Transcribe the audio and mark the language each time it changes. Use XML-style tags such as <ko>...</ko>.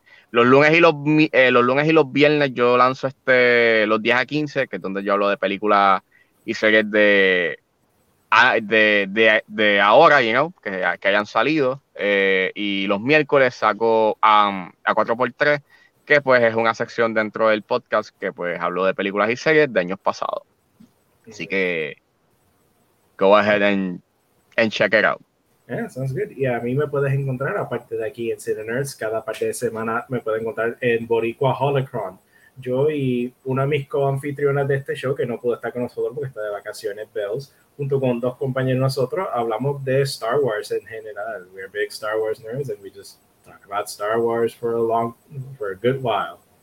<es>los lunes y los viernes yo lanzo este los 10 a 15, que es donde yo hablo de películas y series de ahora,</es> <en>you know,</en> <es>que hayan salido. Y los miércoles saco a 4x3, que pues es una sección dentro del podcast que pues hablo de películas y series de años pasados. Así que</es> <en>go ahead and check it out. Yeah, sounds good.</en> <es>Y a mí me puedes encontrar, aparte de aquí en City Nerds, cada parte de semana me puedes encontrar en Boricua Holocron. Yo y una de mis co-anfitrionas de este show, que no pudo estar con nosotros porque está de vacaciones, Bells, junto con dos compañeros nosotros, hablamos de Star Wars en general.</es> <en>We're big Star Wars nerds, and we just talk about Star Wars for a good while.</en>